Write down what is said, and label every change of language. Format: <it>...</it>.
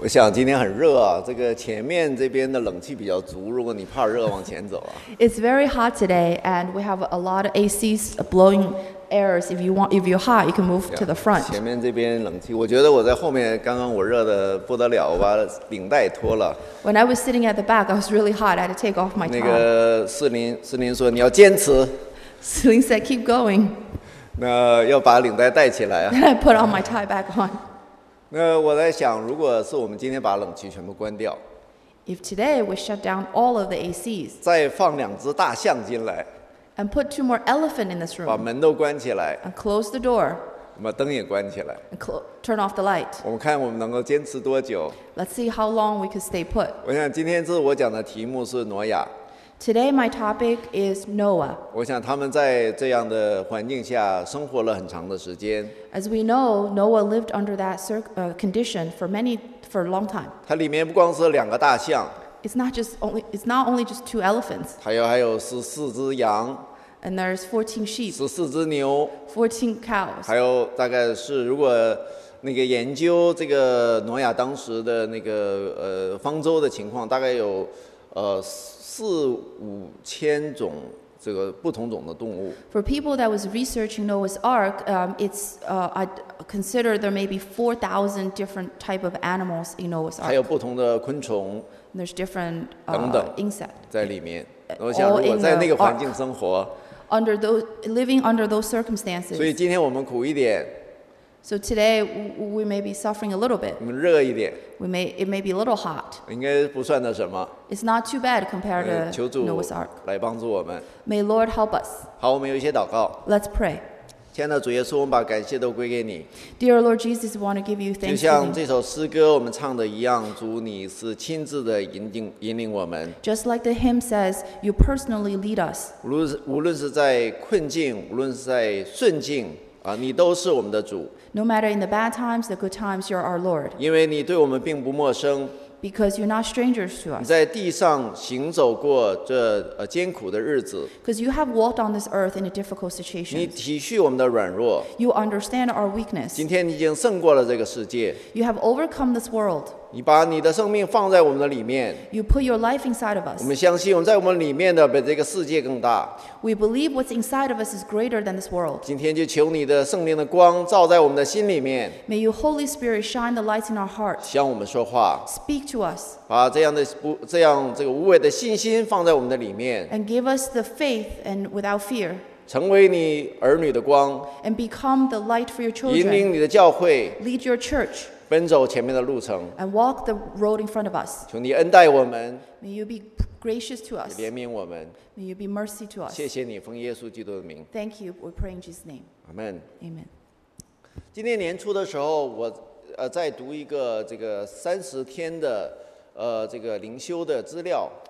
<zh>我想今天很热啊，这个前面这边的冷气比较足，如果你怕热，往前走啊。</zh> <en>It's very hot today, and we have a lot of ACs blowing airs. If you're hot, you can move to the front.</en> <zh>前面这边冷气，我觉得我在后面，刚刚我热得不得了，我把领带脱了。</zh> <en>When I was sitting at the back, I was really hot. I had to take off my</en> <zh>那个司令说你要坚持。</zh> <en>Celine said, "Keep going."</en> <zh>那要把领带带起来啊。</zh> <en>Then I put all my tie back on.</en> <zh>那我在想，如果是我们今天把冷气全部关掉</zh> <en>，If today we shut down all of the ACs，</en> <zh>再放两只大象进来</zh> <en>，and put two more elephant in this room，</en> <zh>把门都关起来</zh> <en>，and close the door，</en> <zh>把灯也关起来</zh> <en>，and turn off the light，</en> <zh>我们看我们能够坚持多久</zh> <en>？Let's see how long we could stay put。</en> <zh>我想今天这是我讲的题目是挪亚。</zh> <en>Today my topic is Noah.</en> <zh>我想他们在这样的环境下生活了很长的时间。</zh> <en>As we know, Noah lived under that condition for a long time.</en> <zh>它里面不光是两个大象。</zh> <en>It's not only just two elephants.</en> <zh>还有14只羊。</zh> <en>And there's 14 sheep.</en> <zh>14只牛。</zh> <en>14 cows.</en> <zh>还有大概是如果那个研究这个挪亚当时的那个方舟的情况，大概有4-5千种这个不同种的动物。</zh> <en>For people that was researching Noah's Ark, I consider there may be 4,000 different type of animals in Noah's Ark.</en> <zh>还有不同的昆虫。</zh> <en>There's different insect</en> <zh>在里面。我想如果在那个环境生活</zh> <en>living under those circumstances.</en> <zh>所以今天我们苦一点。</zh> <en>So today we may be suffering a little bit.</en> <zh>我们热一点。</zh> <en>It may be a little hot.</en> <zh>应该不算的什么。</zh> <en>It's not too bad compared to Noah's Ark.</en> <zh>来帮助我们。</zh> <en>May Lord help us.</en> <zh>好，我们有一些祷告。</zh> <en>Let's pray.</en> <zh>亲爱的主耶稣，我们把感谢都归给你。</zh> <en>Dear Lord Jesus, we want to give you thanks.</en> <zh>就像这首诗歌我们唱的一样，主你是亲自的引领我们。</zh> <en>Just like the hymn says, you personally lead us.</en> <zh>无论是在困境，无论是在顺境。你都是我们的主。</zh> <en>No matter in the bad times, the good times, you're our Lord.</en> <zh>因为你对我们并不陌生。</zh> <en>Because you're not strangers to us.</en> <zh>你在地上行走过这艰苦的日子。</zh> <en>Because you have walked on this earth in a difficult situation.</en> <zh>你体恤我们的软弱。</zh> <en>You understand our weakness.</en> <zh>今天你已经胜过了这个世界。</zh> <en>You have overcome this world.</en> <zh>你把你的生命放在我们的里面。</zh> <en>You put your life inside of us.</en> <zh>我们相信我们在我们里面的比这个世界更大。</zh> <en>We believe what's inside of us is greater than this world.</en> <zh>今天就求你的圣灵的光照在我们的心里面。</zh> <en>May your Holy Spirit shine the light in our hearts.</en> <zh>向我们说话。</zh> <en>Speak to us.</en> <zh>把这样无畏的信心放在我们的里面。</zh> <en>And give us the faith and without fear.</en> <zh>成为你儿女的光。</zh> <en>And become the light for your children.</en> <zh>引领你的教会。</zh> <en>Lead your church.</en> <zh>奔走前面的路程。</zh> <en>And walk the road in front of us.</en> <zh>求你恩待我们。</zh> <en>May you be gracious to us.</en> <zh>怜悯我们。</zh> <en>May you be mercy to us.</en> <zh>谢谢你，奉耶稣基督的名。</zh> <en>Thank you. We pray in Jesus' name. Amen. Amen.</en> <zh>今年年初的时候，我在读一个这个30天的这个灵修的资料。</zh>